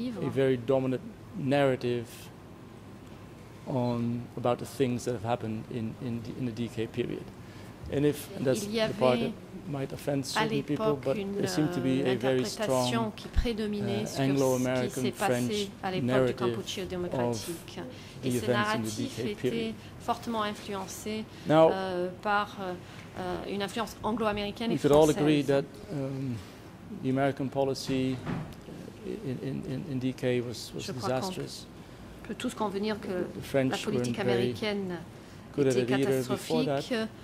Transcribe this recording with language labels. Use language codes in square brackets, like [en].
[en] very dominant narrative on about the things that have happened in the DK period. And if that's the part that might offend certain people, but there seemed to be a very strong Anglo-American French narrative of the events in the DK period. [fr] Fortement influencé now, par une influence anglo-américaine et française. [en] We could all agree that the American policy in DK was disastrous. [fr] On peut tous convenir que la politique américaine était catastrophique.